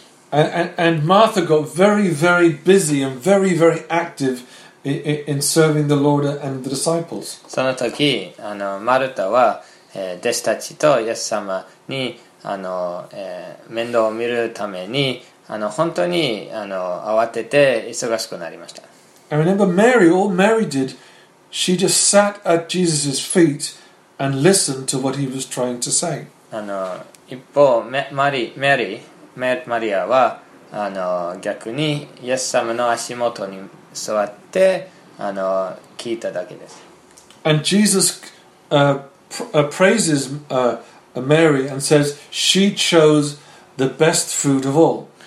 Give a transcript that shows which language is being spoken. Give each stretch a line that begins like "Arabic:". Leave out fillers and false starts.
English: And Martha got very, very busy and very, very active. In serving the Lord and the disciples.
Japanese: その時、マルタは、弟子たちとイエス様に面倒を見るために本当に慌てて忙しくなりました。
English: I remember Mary, all Mary did, she just sat at Jesus' feet and listened to what he was trying to say.
Japanese: 一方、マリアは逆にイエス様の足元に座って聞いただけです。
English: And Jesus praises Mary and says she chose the best food of all.